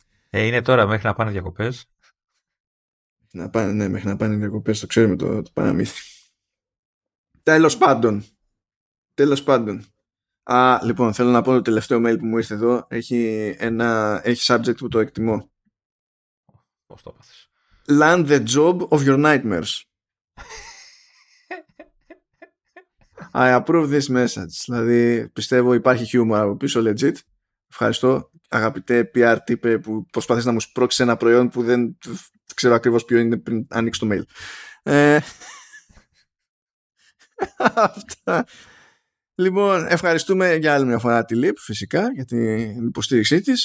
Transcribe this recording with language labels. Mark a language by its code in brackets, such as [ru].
[el] Είναι τώρα μέχρι να πάνε διακοπές. Να πάνε, ναι, μέχρι να πάνε διακοπές, το ξέρουμε το παραμύθι. Τέλος πάντων. Τέλος πάντων. Α, λοιπόν, θέλω να πω το τελευταίο mail που μου ήρθε εδώ. Έχει subject που το εκτιμώ. Πώς το πάθεις? [en] Land the job of your nightmares. I approve this message. [el] Δηλαδή, πιστεύω υπάρχει χιούμορ από πίσω, legit. Ευχαριστώ, αγαπητέ PR τύπε που προσπαθείς να μου σπρώξεις ένα προϊόν που δεν ξέρω ακριβώς ποιο είναι πριν ανοίξει το mail. Αυτά. Λοιπόν, ευχαριστούμε για άλλη μια φορά τη ΛΥΠ, φυσικά, για την υποστήριξή της.